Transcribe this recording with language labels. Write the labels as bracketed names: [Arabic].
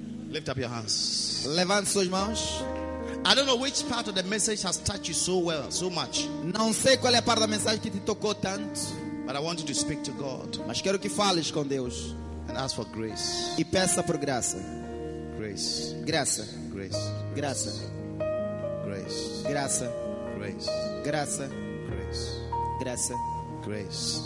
[English] Lift up your hands. [Portuguese] Levante suas mãos. [English] I don't know which part of the message has touched you so well, so much. [Portuguese] Não sei qual é a parte da mensagem que te tocou tanto. [English] But I want you to speak to God. [Portuguese] Mas quero que fales com Deus. [English] And ask for grace. [Portuguese] E peça por graça. [English] Grace. [Portuguese] Graça. [English] Grace. [Portuguese] Graça. [English] Grace. [Portuguese] Graça. [English] Grace. [Portuguese] Graça. [English] Grace. [Portuguese] Graça. [English] Grace.